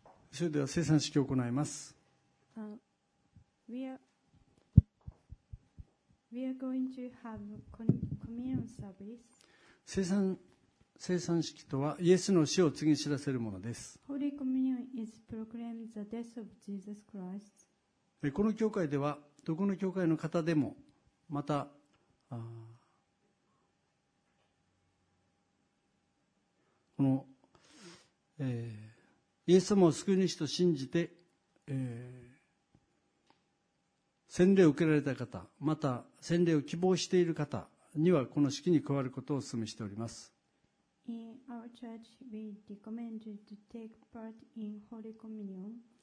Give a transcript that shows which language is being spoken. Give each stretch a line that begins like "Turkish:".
Japanese: それでは聖餐式を行います。
English: We are going to have communion service.
Japanese: 聖餐式とはイエスの死を告げ知らせるものです。
English: Holy Communion is proclaim the death of Jesus Christ.
Japanese: この教会ではどこの教会の方でも、また、イエス様を救い主と信じて、洗礼を受けられた方、また洗礼を希望している方にはこの式に加わることをお勧めしております。
English: In our church, we recommend you to take part in Holy Communion.